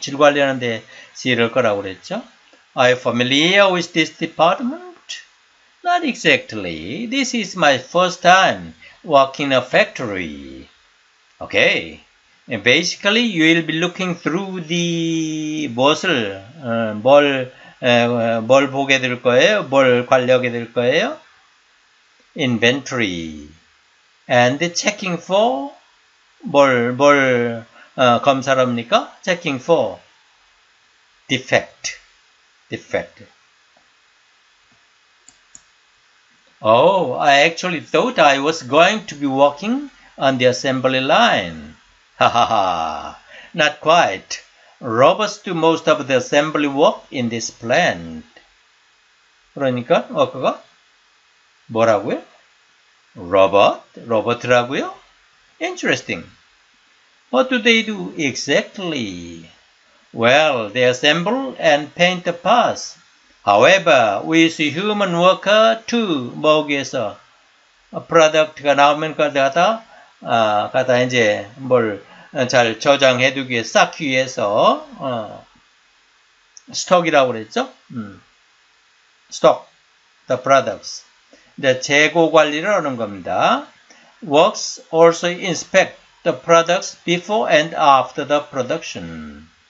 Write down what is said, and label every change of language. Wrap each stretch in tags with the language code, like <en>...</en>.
<ko>질 관리하는 데서 일할 거라고 그랬죠?</ko> <en>Are you familiar with this department? Not exactly. This is my first time working in a factory. Okay. And basically, you'll be looking through the</en> <ko>무엇을 뭘 보게 될 거예요? 뭘 관리하게 될 거예요?</ko> <en>Inventory and checking for</en> <ko>뭘 검사랍니까?</ko> <en>Checking for defect. Oh, I actually thought I was going to be working on the assembly line. Ha ha ha. Not quite. Robots do most of the assembly work in this plant.</en> <ko>그러니까 워커가 뭐라고요? 로봇이라고요?</ko> <en>Interesting. What do they do exactly? Well, they assemble and paint the parts. However, with human worker too,</en> <ko>모기에서 프로덕트가 나오면 그걸 갖다 이제 뭘잘 저장해두기에 쌓기 위해서 스톡이라고 그랬죠?</ko> <en>스톡, the products.</en> <ko>이제 재고 관리를 하는 겁니다.</ko> <en>Works also inspect the products before and after the production.</en>